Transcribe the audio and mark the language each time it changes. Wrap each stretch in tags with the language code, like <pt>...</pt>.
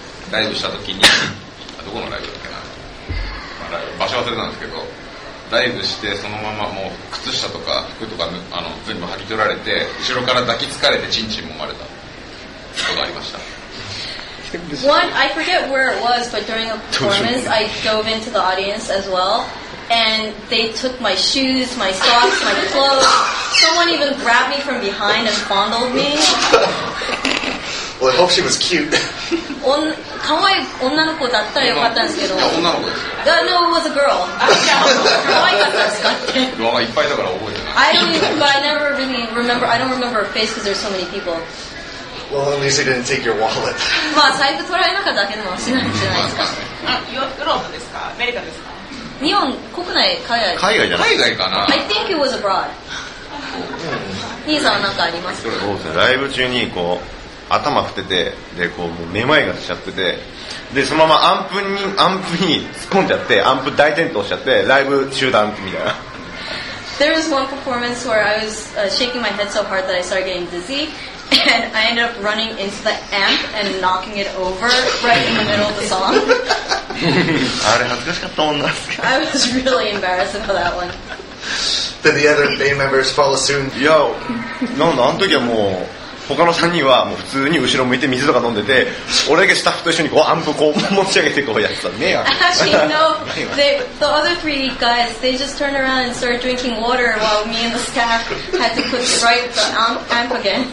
<ja>ダイブした時にどこのライブだっけな、まあ、場所忘れたんですけどダイブしてそのままもう靴下とか服とかあの全部剥ぎ取られて後ろから抱きつかれてチンチン揉まれたことがありました。</ja> <en>One, I forget where it was, but during a performance I dove into the audience as well and they took my shoes, my socks, my clothes. Someone even grabbed me from behind and fondled me. Well, I hope she was cute.</en> <ja>可愛い女の子だったらよかったんですけど。いや、女の子ですよ。</ja> <en>No, it was a girl.</en> <ja>可愛かったんですかって。わがいっぱいだから覚えてない。</ja> <en>I don't remember her face because there's so many people. Well, at least you didn't take your wallet.</en> <ja>まあ、財布取られなかっただけでもしないじゃないですか。ヨーロッパですか？アメリカですか？日本、国内、海外。海外じゃない。海外かな。</ja> <en>I think it was abroad.</en> <ja>兄さんは何かありますか？そうですね。ライブ中に、こう。頭振ってて、で、こう、もうめまいがしちゃってて、で、そのままアンプに突っ込んじゃって、アンプ大転倒しちゃって、ライブ中断みたいな。</ja> <en>There was one performance where I was shaking my head so hard that I started getting dizzy, and I ended up running into the amp and knocking it over right in the middle of the song.</en> <ja>あれ、恥ずかしかったもんなんすか。</ja> <en>I was really embarrassed about that one. Did the other band members follow soon?</en> <ja>いや、なんだ、あの時はもう、他の3人はもう普通に後ろ向いて水とか飲んでて、俺だけスタッフと一緒にこうアンプこう持ち上げてこうやってたね。</ja> <en>Actually, no. The other three guys, they just turned around and started drinking water while me and the staff had to put right the amp again.</en>